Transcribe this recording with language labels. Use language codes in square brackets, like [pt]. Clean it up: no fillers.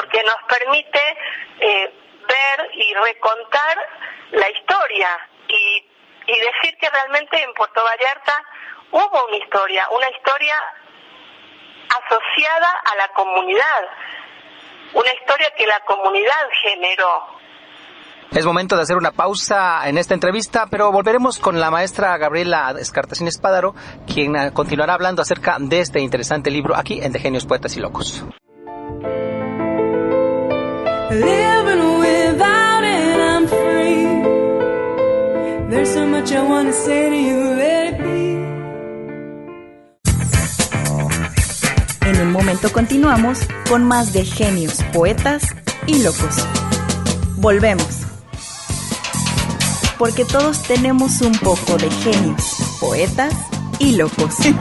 [es] Porque nos permite ver y recontar la historia y decir que realmente en Puerto Vallarta hubo una historia asociada a la comunidad, una historia que la comunidad generó. Es momento de hacer una pausa en esta entrevista, pero volveremos con la maestra Gabriela Escartesín Espádaro, quien continuará hablando acerca de este interesante libro aquí en De Genios, Poetas y Locos. [en] Living without it, I'm free. There's so much I want to say to you, let it be. [es] En un momento continuamos con más de Genios, Poetas y Locos. Volvemos. Porque todos tenemos un poco de genios, poetas y locos.